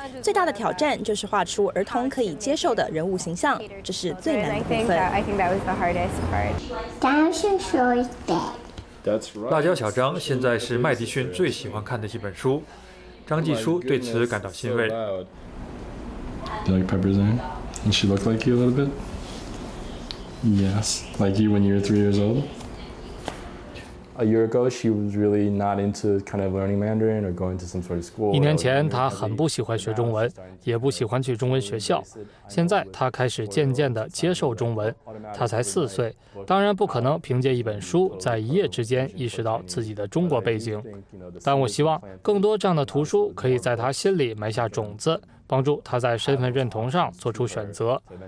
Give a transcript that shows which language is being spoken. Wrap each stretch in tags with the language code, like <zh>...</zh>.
<zh>最大的挑战就是画出儿童可以接受的人物形象，这是最难的部分。辣椒小张现在是麦迪逊最喜欢看的一本书，张继书对此感到欣慰。</zh> <en>Do you like Pepper's Lane? Does she look like you a little bit? Yes, like you when you were 3 years old. A year ago, she was really not into kind of learning Mandarin or going to some sort of school.</en> <zh>一年前，她很不喜欢学中文，也不喜欢去中文学校。现在，她开始渐渐地接受中文。她才四岁，当然不可能凭借一本书在一夜之间意识到自己的中国背景。但我希望更多这样的图书可以在她心里埋下种子，帮助他在身份认同上做出选择。</zh>